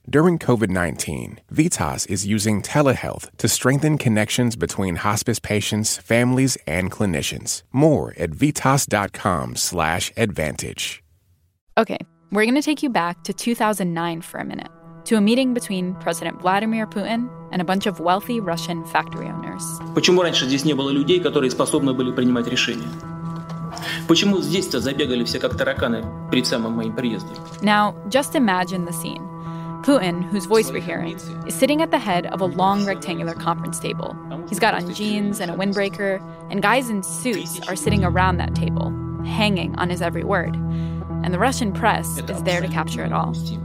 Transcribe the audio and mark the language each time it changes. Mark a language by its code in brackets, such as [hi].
[en] During COVID-19, VITAS is using telehealth to strengthen connections between hospice patients, families, and clinicians. More at vitas.com/advantage. Okay, we're going to take you back to 2009 for a minute, to a meeting between President Vladimir Putin and a bunch of wealthy Russian factory owners. [ru] Почему раньше здесь не было людей, которые способны были принимать решения? Почему здесь-то забегали все как тараканы перед самым моим приездом? [en] Now, just imagine the scene. Putin, whose voice we're hearing, is sitting at the head of a long rectangular conference table. He's got on jeans and a windbreaker, and guys in suits are sitting around that table, hanging on his every word. And the Russian press is there to capture it all.